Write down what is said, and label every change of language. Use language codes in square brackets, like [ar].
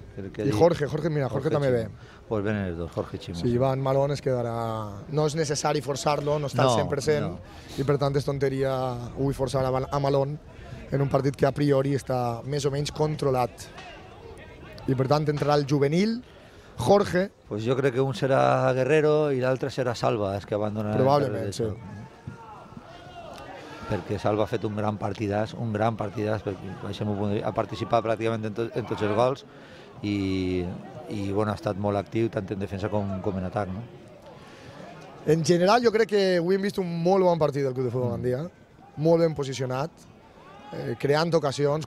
[ca] I Jorge, mira, Jorge també ve. Pues venen els dos, Jorge i Chimo. Si van Malón es quedarà... No és necessari forçar-lo, no està al 100%. I per tant és tonteria avui forçar a Malón en un partit que a priori està més o menys controlat. I per tant entrarà el juvenil, Jorge. [es] Pues yo creo que un será Guerrero y el otro será Salva, es que abandona... [ca] Probablement, sí. Perquè Salva ha fet un gran partidàs, perquè ha participat pràcticament en tots els gols i bueno, ha estat molt actiu tant en defensa com en atac. No? En general jo crec que avui hem vist un molt bon partit del Club de Futbol Gandia, molt ben posicionat, creant ocasions.